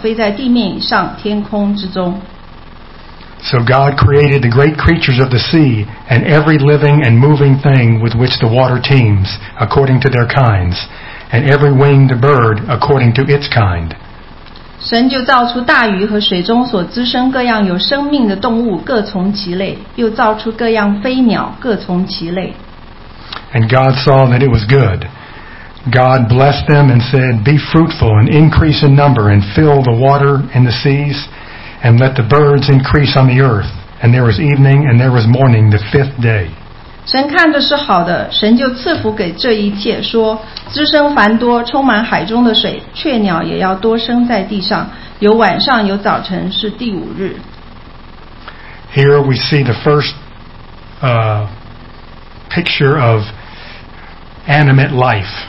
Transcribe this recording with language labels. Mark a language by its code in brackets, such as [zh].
[zh] 神说水要多多滋生有生命的物，要有雀鸟飞在地面以上，天空之中。 [en] So God created the great creatures of the sea and every living and moving thing with which the water teems, according to their kinds, and every winged bird according to its kind. [zh] 神就造出大鱼和水中所滋生各样有生命的动物，各从其类，又造出各样飞鸟，各从其类。 [en] And God saw that it was good. God blessed them and said, Be fruitful and increase in number and fill the water and the seas and let the birds increase on the earth. And there was evening and there was morning the fifth day. [zh] 神看着是好的，神就赐福给这一切，说滋生繁多，充满海中的水，雀鸟也要多生在地上，有晚上有早晨，是第五日。 [en] Here we see the first picture of animate life.